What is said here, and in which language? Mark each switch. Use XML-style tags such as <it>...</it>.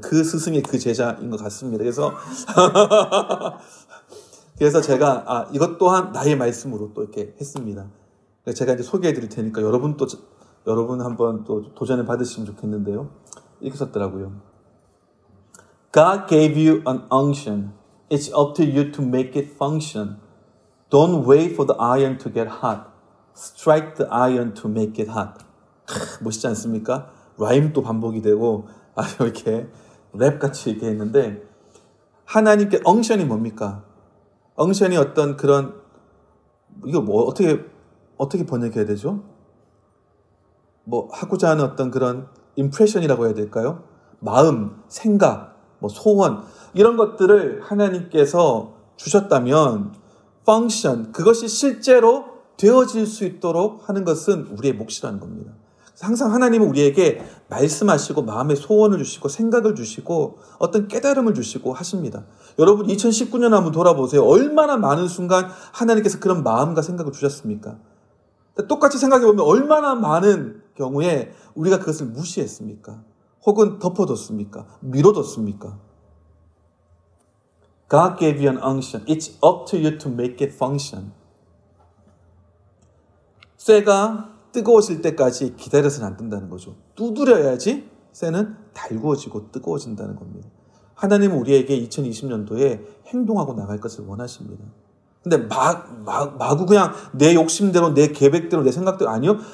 <ko>그 스승의 그 제자인 것 같습니다. 그래서 그래서 제가 이것 또한 나의 말씀으로 또 이렇게 했습니다. 제가 이제 소개해드릴 테니까 여러분 한번 또 도전을 받으시면 좋겠는데요. 이렇게 썼더라고요.</ko> <en>God gave you an unction. It's up to you to make it function. Don't wait for the iron to get hot. Strike the iron to make it hot.</en> <ko>멋있지 않습니까? 라임도 반복이 되고 이렇게 랩같이 이렇게 했는데 하나님께 엉션이 뭡니까? 엉션이 어떤 그런 이거 뭐 어떻게 번역해야 되죠? 뭐 하고자 하는 어떤 그런 임프레션이라고 해야 될까요? 마음, 생각, 뭐 소원 이런 것들을 하나님께서 주셨다면 function, 그것이 실제로 되어질 수 있도록 하는 것은 우리의 몫이라는 겁니다. 항상 하나님은 우리에게 말씀하시고 마음의 소원을 주시고 생각을 주시고 어떤 깨달음을 주시고 하십니다. 여러분 2019년 한번 돌아보세요. 얼마나 많은 순간 하나님께서 그런 마음과 생각을 주셨습니까? 똑같이 생각해보면 얼마나 많은 경우에 우리가 그것을 무시했습니까? 혹은 덮어뒀습니까? 밀어뒀습니까?</ko> <en>God gave you an unction. It's up to you to make it function.</en> <ko>쇠가 뜨거워질 때까지 기다려서는 안 된다는 거죠. 두드려야지 쇠는 달구어지고 뜨거워진다는 겁니다. 하나님은 우리에게 2020년도에 행동하고 나갈 것을 원하십니다. 근데 마구 그냥 내 욕심대로, 내 계획대로, 내 생각대로 아니요.</ko>